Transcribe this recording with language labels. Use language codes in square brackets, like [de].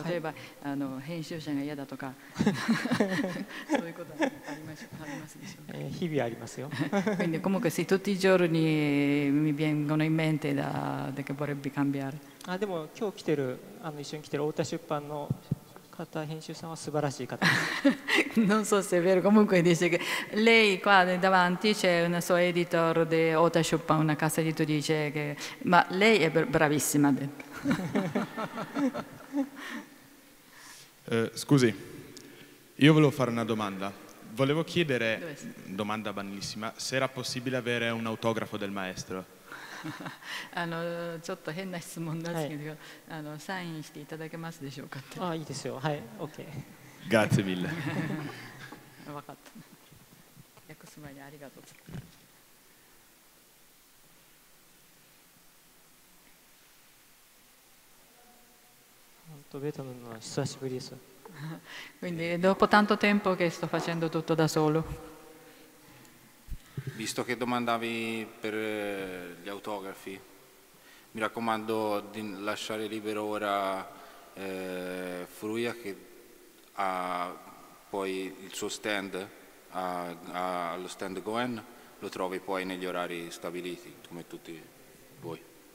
[ja] 例えば、はい、編集者が嫌だとか、そういうことありますでしょうか？日々ありますよ。 [it] Quindi comunque sì, tutti i giorni mi vengono in mente da che vorrebbe cambiare。 [ja] あ、でも今日来てる、一緒に来てる太田出版の編集さんは素晴らしい方 [it] Non so se è vero, comunque dice che lei qua davanti c'è una sua editor di Ota Schuppan, una casa editrice, che... ma lei è bravissima. Scusi, io volevo fare una domanda. Volevo chiedere, domanda banalissima, se era possibile avere un autografo del maestro. [ja] ちょっと変な質問なんですけど、はい、サインしていただけますでしょうかって。いいですよ。はい、OK。 [it] Grazie mille. [ja] わかった。訳す前にありがとう。本当、ベタなのは久しぶりです。 [it] Quindi, dopo tanto tempo che sto facendo tutto da solo。 Visto che domandavi per gli autografi, mi raccomando di lasciare libero ora Furuya, che ha poi il suo stand, allo stand Goen, lo trovi poi negli orari stabiliti, come tutti voi.